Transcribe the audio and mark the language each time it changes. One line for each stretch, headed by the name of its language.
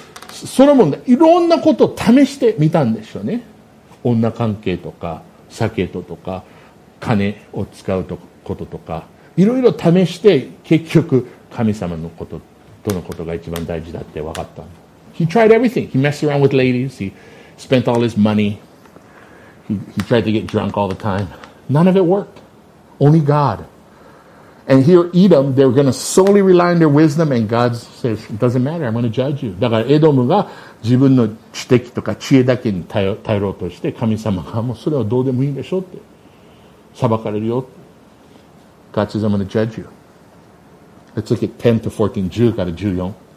Japanese: ソロモンがいろんなことを試してみたんでしょうね女関係とか酒とか金を使うこととか、いろいろ試して、結局、神様のこと、とのことが一番大事だって分かった。
English: He tried everything. He messed around with ladies. He spent all his money. He tried to get drunk all the time. None of it worked. Only God. And here, Edom, they're going to solely rely on their wisdom, and God says, it doesn't matter. I'm going to judge you.
Japanese: だから、エドムが自分の知的とか知恵だけに頼ろうとして、神様が、もうそれはどうでもいいでしょうって。裁かれるよ。
English: God says, I'm going to judge you. Let's look at 10 to 14, 10から14。